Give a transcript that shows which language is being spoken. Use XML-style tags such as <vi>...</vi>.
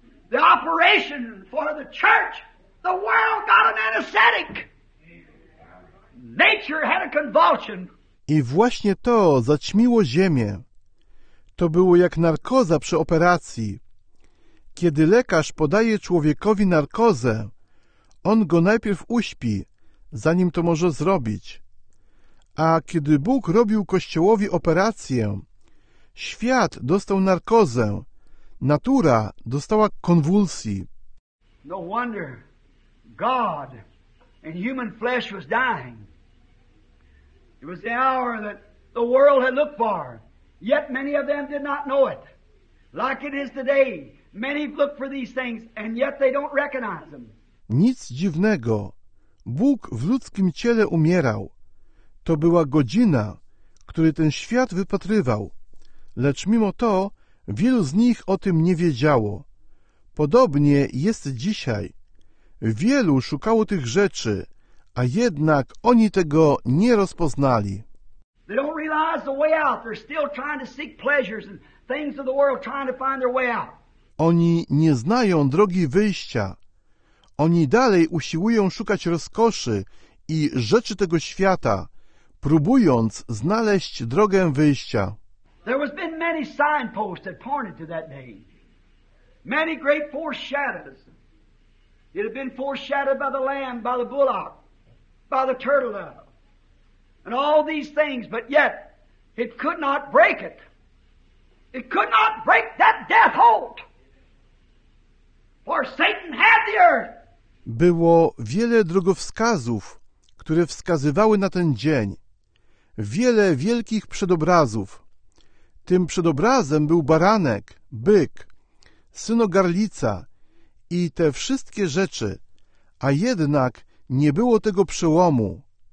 <en>the operation for the church, the world got an anesthetic. Nature had a convulsion.</en> <pl>I właśnie to zaćmiło ziemię. To było jak narkoza przy operacji. Kiedy lekarz podaje człowiekowi narkozę, on go najpierw uśpi, zanim to może zrobić. A kiedy Bóg robił Kościołowi operację, świat dostał narkozę, natura dostała konwulsji.</pl> <en>No wonder God and human flesh was dying. It was the hour that the world had looked for, yet many of them did not know it. Like it is today, many look for these things, and yet they don't recognize them.</en> <pl>Nic dziwnego. Bóg w ludzkim ciele umierał. To była godzina, której ten świat wypatrywał. Lecz mimo to wielu z nich o tym nie wiedziało. Podobnie jest dzisiaj. Wielu szukało tych rzeczy, a jednak oni tego nie rozpoznali.</pl> <en>They don't realize the way out. They're still trying to seek pleasures and things of the world, trying to find their way out.</en> <pl>Oni nie znają drogi wyjścia. Oni dalej usiłują szukać rozkoszy i rzeczy tego świata, próbując znaleźć drogę wyjścia.</pl> <en>There has been many signposts that pointed to that day. Many great foreshadows. It had been foreshadowed by the lamb, by the bullock, by the turtle dove, and all these things, but yet it could not break it. It could not break that death hold. For Satan had the earth.</en> <pl>Było wiele drogowskazów, które wskazywały na ten dzień. Wiele wielkich przedobrazów. Tym przedobrazem był baranek, byk, synogarlica i te wszystkie rzeczy, a jednak nie było tego przełomu.</pl>